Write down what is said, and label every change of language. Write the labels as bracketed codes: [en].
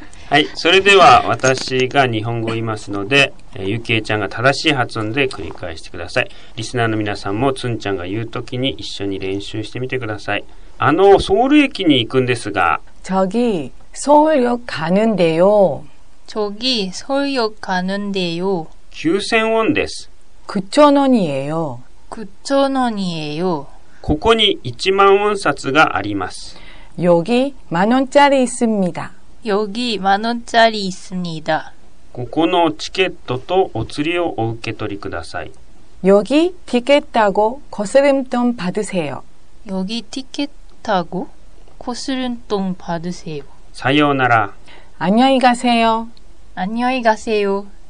[ja] はいそれでは私が日本語を言いますのでゆきえちゃんが正しい発音で繰り返してくださいリスナーの皆さんもつんちゃんが言うときに一緒に練習してみてくださいあのソウル駅に行くんですが [ko] 저기서울역가는데요 저기서울역가는데요 [ja] 9000원です [ko] 9000원이에요 9000원이에요 [ja] ここに1万원札があります [ko] 여기만원짜리있습니다 여기만원짜리있습니다 [ja] ここのチケットとお釣りをお受け取りください [ko] 여기티켓하고고스름돈받으세요 여기티켓하고고스름돈받으세요 [ja] さようなら [ko] 안녕히가세요 안녕히가세요